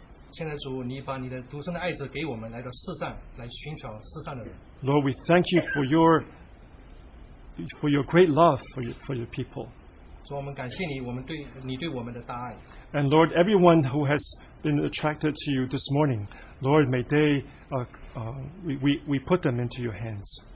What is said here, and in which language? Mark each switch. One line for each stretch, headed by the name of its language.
Chinese: 亲爱的主，你把你的独生的爱子给我们来到世上，来寻找世上的人。
English: Lord, we thank you for your great love for your people.
Chinese: 主，我们感谢你，我们对你对我们的大爱。
English: And Lord, everyone who has been attracted to you this morning, Lord, may they we put them into your hands.